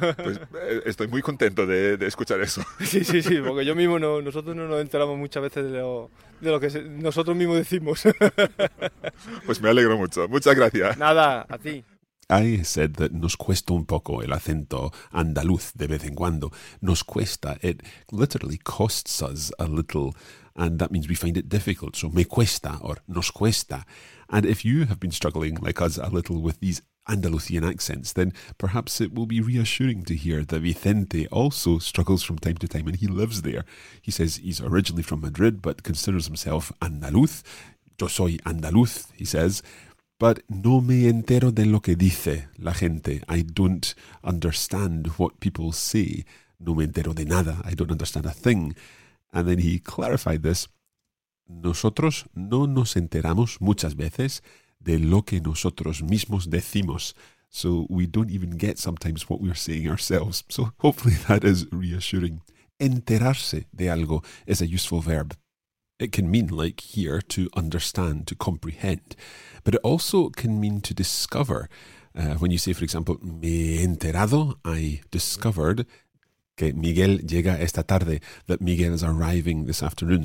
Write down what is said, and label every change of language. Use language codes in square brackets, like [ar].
[es] Pues estoy muy contento de escuchar eso. Sí, sí, sí, porque yo mismo nosotros no nos enteramos muchas veces de lo que nosotros mismos decimos. Pues me alegro mucho. Muchas gracias. Nada, a ti. [en] I said that [es] nos cuesta un poco el acento andaluz de vez en cuando. Nos cuesta, [en] it literally costs us a little, and that means we find it difficult. So [es] me cuesta [en] or [es] nos cuesta. [en] And if you have been struggling like us a little with these Andalusian accents, then perhaps it will be reassuring to hear that Vicente also struggles from time to time and he lives there. He says he's originally from Madrid but considers himself andaluz. [es] Yo soy andaluz, [en] he says. [es] But no me entero de lo que dice la gente. [en] I don't understand what people say. [es] No me entero de nada. [en] I don't understand a thing. And then he clarified this. [es] Nosotros no nos enteramos muchas veces de lo que nosotros mismos decimos. [en] So we don't even get sometimes what we're saying ourselves. So hopefully that is reassuring. [es] Enterarse de algo [en] is a useful verb. It can mean, like here, to understand, to comprehend. But it also can mean to discover. When you say, for example, [es] me he enterado, [en] I discovered [es] que Miguel llega esta tarde, [en] that Miguel is arriving this afternoon.